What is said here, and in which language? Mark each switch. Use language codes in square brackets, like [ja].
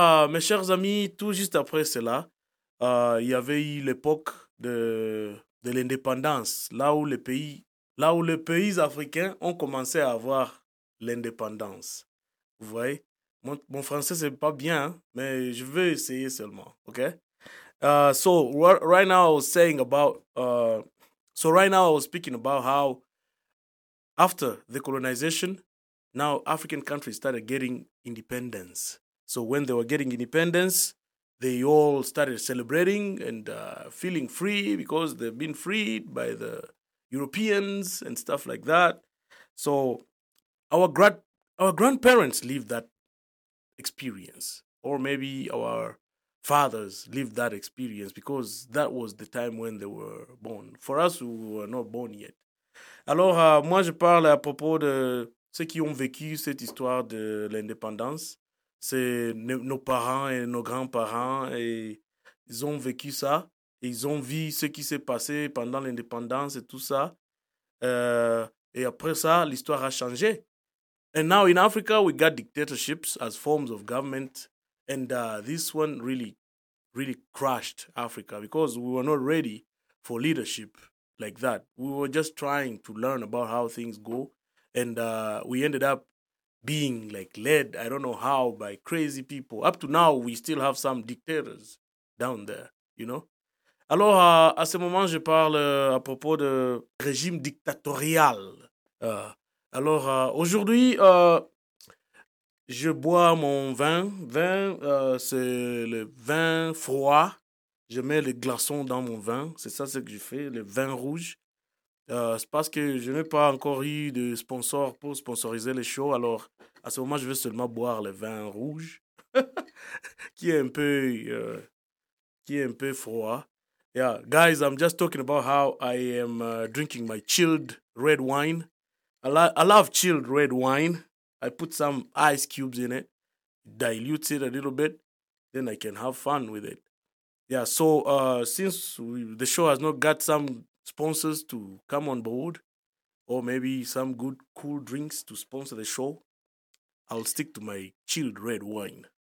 [fr] Mes chers amis, tout juste après cela, il y avait eu l'époque de l'indépendance, là où les pays africains ont commencé à avoir l'indépendance. Vous voyez, mon français c'est pas bien, mais je vais essayer seulement. Ok. [en] So right now I was speaking about how after the colonization, Now, African countries started getting independence. So when they were getting independence, they all started celebrating and feeling free because they've been freed by the Europeans and stuff like that. So our grandparents lived that experience, or maybe our fathers lived that experience because that was the time when they were born. For us, we were not born yet. [fr] Alors, moi, je parle à propos de ceux qui ont vécu cette histoire de l'indépendance. C'est nos parents et nos grands-parents, et ils ont vécu ça. Et ils ont vu ce qui s'est passé pendant l'indépendance et tout ça. Et après ça, l'histoire a changé. [en] And now in Africa, we got dictatorships as forms of government. And this one really, really crushed Africa because we were not ready for leadership like that. We were just trying to learn about how things go. And we ended up being like led, I don't know how, by crazy people. Up to now, we still have some dictators down there, you know? [fr] Alors, à ce moment, je parle à propos de régime dictatorial. Alors, aujourd'hui, je bois mon vin. Vin, c'est le vin froid. Je mets les glaçons dans mon vin. C'est ça ce que je fais, le vin rouge. C'est parce que je n'ai pas encore eu de sponsor pour sponsoriser les shows. Alors, à ce moment, je vais seulement boire le vin rouge, qui est un peu froid. [en] Yeah, guys, I'm just talking about how I am drinking my chilled red wine. I love chilled red wine. I put some ice cubes in it, dilute it a little bit, then I can have fun with it. Yeah, so since the show has not got some sponsors to come on board, or maybe some good cool drinks to sponsor the show, I'll stick to my chilled red wine.